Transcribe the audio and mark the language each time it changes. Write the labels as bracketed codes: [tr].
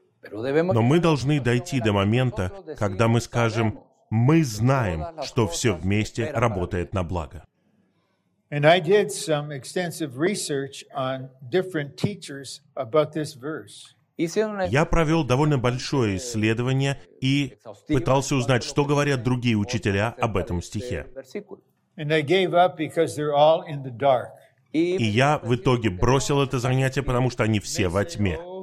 [ru] Но мы должны дойти до момента, когда мы скажем, мы знаем, что все вместе работает на благо. [en] And I did some extensive research on different teachers about this verse. [ru] Я провел довольно большое исследование и пытался узнать, что говорят другие учителя об этом стихе. И я в итоге бросил это занятие, потому что они все во тьме.